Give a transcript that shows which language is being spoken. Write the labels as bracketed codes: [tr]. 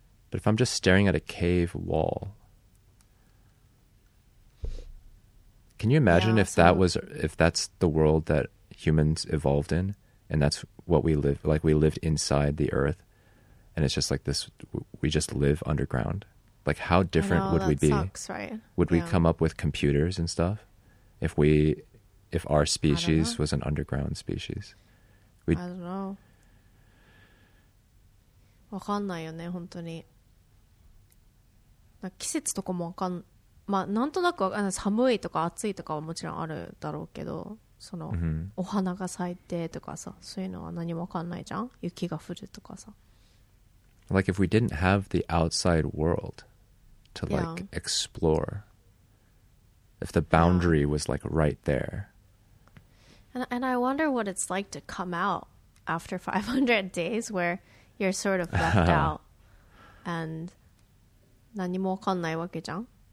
[en] But if I'm just staring at a cave wallCan you imagine if that's the world that humans evolved in, and that's what we live, like we lived inside the earth, and it's just like this, we just live underground. Like how different would we be? That sucks, right? Would we come up with computers and stuff if our species was an underground species? I don't know. [ja] わかんないよね、本当に。なんか季節とかもわかん。まあ、なんとなく寒いとか暑いとかはもちろんあるだろうけど、そのお花が咲いてとかさ、そういうのは何もわかんないじゃん、雪が降るとかさ。 [en] Like if we didn't have the outside world to like explore, if the boundary was like right there. And I wonder what it's like to come out after 500 days where you're sort of left out and [ja] 何もわかんないわけじゃん。